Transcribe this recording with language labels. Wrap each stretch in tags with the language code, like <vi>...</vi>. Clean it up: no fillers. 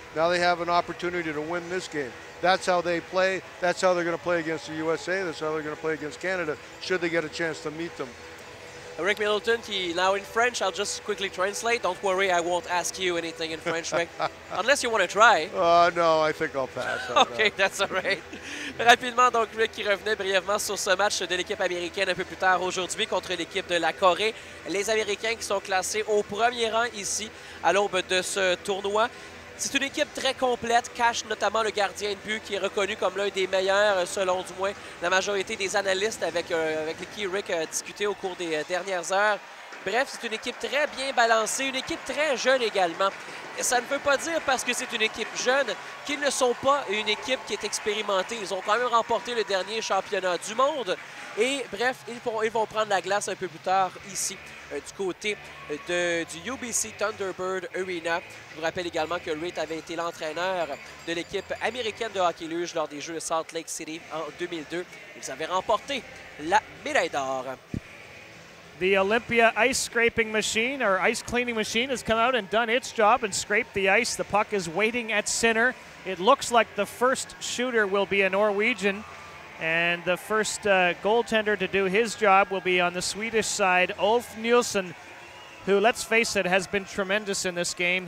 <en>Now they have an opportunity to win this game. That's how they play. That's how they're going to play against the USA. That's how they're going to play against Canada, should they get a chance to meet them. Rick Middleton, he, now in French, I'll just quickly translate. Don't worry, I won't ask you anything in French, Rick. Unless you want to try. No, I think I'll pass. Okay, that's all right.</en> <fr>Rapidement, donc, Rick qui revenait brièvement sur ce match de l'équipe américaine un peu plus tard aujourd'hui contre l'équipe de la Corée. Les Américains qui sont classés au premier rang ici à l'aube de ce tournoi. C'est une équipe très complète, cache notamment le gardien de but qui est reconnu comme l'un des meilleurs, selon du moins la majorité des analystes avec qui Rick a discuté au cours des dernières heures. Bref, c'est une équipe très bien balancée, une équipe très jeune également. Et ça ne veut pas dire parce que c'est une équipe jeune qu'ils ne sont pas une équipe qui est expérimentée. Ils ont quand même remporté le dernier championnat du monde. Et bref, ils vont prendre la glace un peu plus tard ici, du côté du UBC Thunderbird Arena. Je vous rappelle également que Reid avait été l'entraîneur de l'équipe américaine de hockey luge lors des Jeux de Salt Lake City en 2002. Ils avaient remporté la médaille d'or.</fr> <en>The Olympia ice scraping machine or ice cleaning machine has come out and done its job and scraped the ice. The puck is waiting at center. It looks like the first shooter will be a Norwegian. And the first goaltender to do his job will be on the Swedish side, Ulf Nilsson, who, let's face it, has been tremendous in this game.</en>